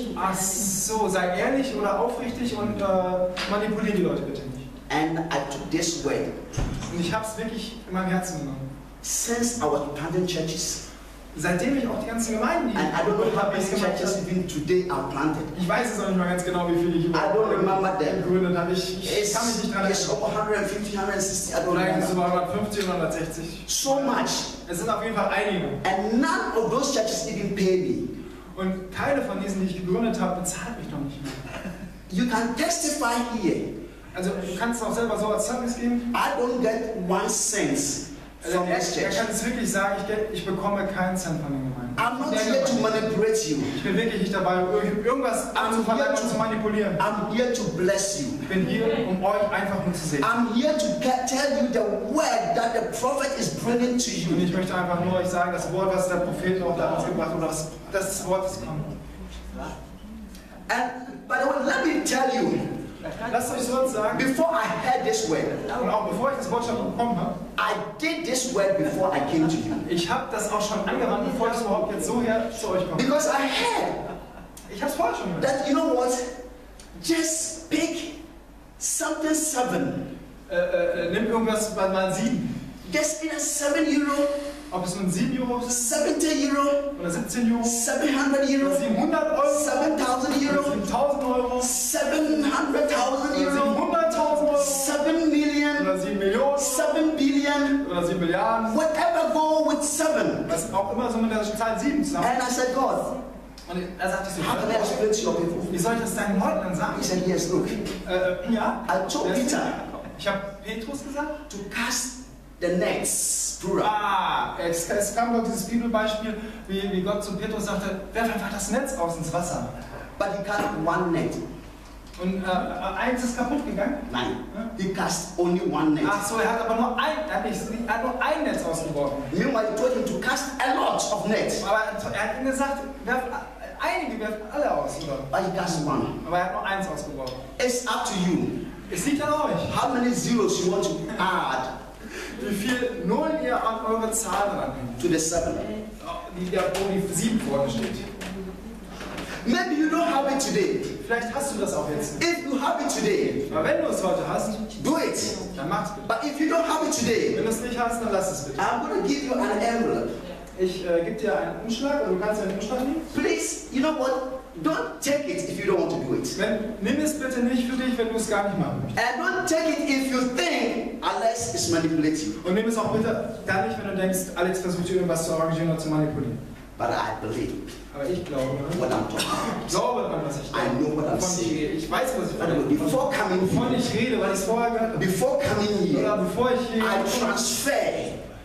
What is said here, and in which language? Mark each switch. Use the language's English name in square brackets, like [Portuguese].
[German] Ach so, sei ehrlich oder aufrichtig und manipuliere die Leute bitte nicht. [English] And I took this way. [German] Und ich habe es wirklich in meinem Herzen genommen. [English] Since our planting churches. [German] Seitdem ich auch die ganzen Gemeinden. [English] And I don't know how many churches even today are planted. [German] Ich weiß es auch nicht mehr ganz genau, wie viele ich überhaupt. [English] I don't remember them. [German] Gegründet habe ich. Ich kann mich nicht dran erinnern. [English] It's over 150, 160. I don't remember. [German] Nein, es waren 150, 160. [English] So much. [German] Es sind auf jeden Fall einige. [English] And none of those churches even pay me. [German] Und keine von diesen, die ich gegründet habe, bezahlt mich noch nicht mehr. [English] You can testify here. [German] Also du kannst auch selber so als Zeugnis geben. [English] I don't get 1 cent from this church. [German] Er kann es wirklich sagen, ich bekomme keinen Cent von der Gemeinde. [English] I'm not here to manipulate you. [German] Ich bin wirklich nicht dabei, irgendwas zu verlangen und zu manipulieren. [English] I'm here to bless you. [German] Ich bin hier, um euch einfach nur zu sehen. [English] I'm here to tell you the word that the prophet is bringing to you. [German] Und ich möchte einfach nur euch sagen, das Wort, was der Prophet auch da ausgebracht hat, das ist das Wort, das kommt. [English] And by the way, let me tell you. [German] Lasst euch so sagen. [English] Before I heard this word. [German] Und auch bevor ich das Wort schon bekommen habe. [English] I did this word before I came to you. [German] Ich habe das auch schon angewandt, bevor ich überhaupt jetzt so hier zu euch komme. [English] Because I heard. [German] Ich habe es vorher schon gehört. [English] That you know what? Just pick something 7. [German] Nimm irgendwas bei mal 7. [English] Just in a 7 euro [German] ob es nun 7 Euro sind, [English] 70 Euro [German] oder 17 Euro, [English] 700 Euro, [German] 700 Euro, [English] 7000 Euro, [German] 7000 Euro, [English] 700.000 Euro, [German] 700.000 Euro, 7 Millionen oder 7 Millionen, [English] 7 Billion [German] oder 7 Milliarden, [English] whatever go with 7, [German] was auch immer so mit der Zahl 7 zusammen. [English] And I said, God, [German] und er sagte so, [English] how can I speak to you? [German] Wie soll ich das deinen Leuten dann sagen? Ich sagte, [English] yes, look, [German] ja, [English] I told Peter, [German] ich habe Petrus gesagt, [English] to cast the nets. [German] Ah, es kam doch dieses Bibelbeispiel, wie Gott zu Petrus sagte, werf einfach das Netz aus ins Wasser. [English] But he cast one net. [German] Und eins ist kaputt gegangen? Nein. [English] He cast only one net. [German] Ach so, er hat aber nur ein Netz ausgeworfen. [English] You might told him to cast a lot of nets. [German] Aber er hat ihm gesagt, werfen alle aus. [English] But he cast one. [German] Aber er hat nur eins ausgeworfen. [English] It's up to you. [German] Es liegt an euch. [English] How many zeros you want to add? [German] Wie viel Nullen ihr an eure Zahl ranhängt. [English] To the 7. [German] Wo die 7 vorne steht. [English] Maybe you don't have it today. [German] Vielleicht hast du das auch jetzt. [English] If you have it today. [German] Aber wenn du es heute hast, [English] do it. [German] Dann mach's bitte. [English] But if you don't have it today. [German] Wenn du es nicht hast, dann lass es bitte. [English] I'm gonna give you an envelope. [German] Ich gebe dir einen Umschlag und du kannst einen Umschlag nehmen. [English] Please, you know what? Don't take it if you don't want to do it. [German] Nimm es bitte nicht für dich, wenn du es gar nicht machen möchtest. [English] And don't take it if you think Alex is manipulating. [German] Und nimm es auch bitte gar nicht, wenn du denkst, Alex versucht irgendwas zu arrangieren oder zu manipulieren. [English] But I believe. [German] Aber ich glaube. [English] What I'm talking about. [German] Glaube an was ich denke. [English] I know what I'm saying. [German] Ich weiß, was ich meine. [English] Before coming here. [German] Wovon ich rede, weil ich vorher gehört. [English] Before coming here. [German] Oder bevor ich hier. [English] I transfer.